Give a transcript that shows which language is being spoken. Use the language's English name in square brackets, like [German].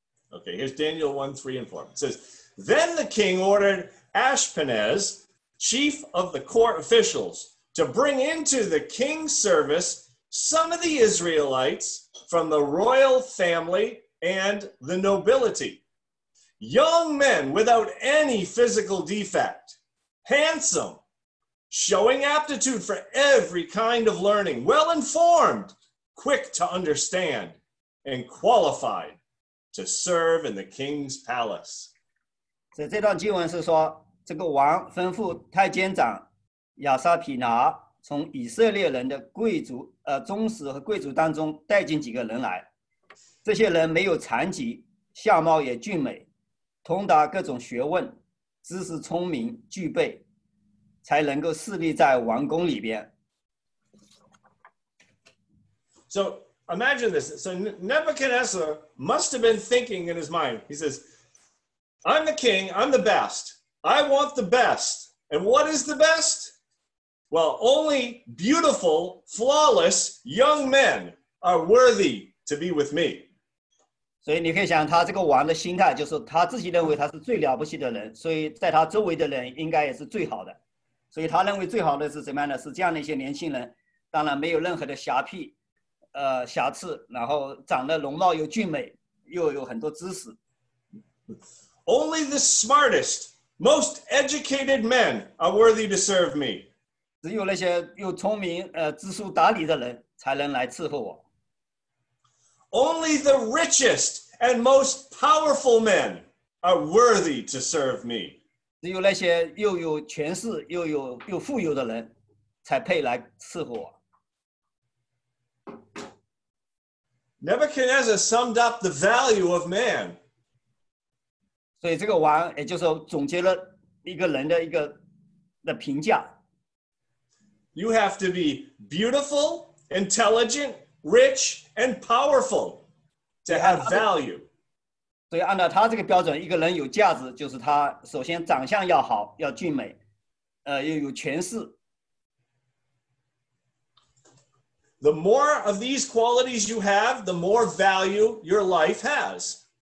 [English] Okay, here's Daniel 1:3-4. It says, then the king orderedAshpenaz, chief of the court officials, to bring into the king's service some of the Israelites from the royal family and the nobility. Young men without any physical defect, handsome, showing aptitude for every kind of learning, well-informed, quick to understand, and qualified to serve in the king's palace. [Chinese] 所以这段经文是说，这个王吩咐太监长亚撒皮拿从以色列人的贵族、宗室和贵族当中带进几个人来。这些人没有残疾，相貌也俊美，通达各种学问，知识聪明具备，才能够侍立在王宫里边。 [English] So imagine this. So Nebuchadnezzar must have been thinking in his mind. He says,I'm the king, I'm the best, I want the best. And what is the best? Well, only beautiful, flawless young men are worthy to be with me. [Chinese] 所以你可以想他这个王的心态，就是他自己认为他是最了不起的人，所以在他周围的人应该也是最好的。所以他认为最好的是怎么样的，是这样的一些年轻人，当然没有任何的瑕疵，然后长得容貌又俊美，又有很多知识。 [English] Only the smartest, most educated men are worthy to serve me. [Chinese] 只有那些又聪明、知书达理的人才能来伺候我。 [English] Only the richest and most powerful men are worthy to serve me. [Chinese] 只有那些又有权势、又富有的人才配来伺候我。 [English] Nebuchadnezzar summed up the value of man. [Chinese] 所以这个王也就是总结了一个人的的评价。 [English] You have to be beautiful, intelligent, rich, and powerful to have value. [Chinese] 所以按照他这个标准，一个人有价值，就是他首先长相要好，要俊美，又有权势。 [English] The more of these qualities you have, the more value your life has.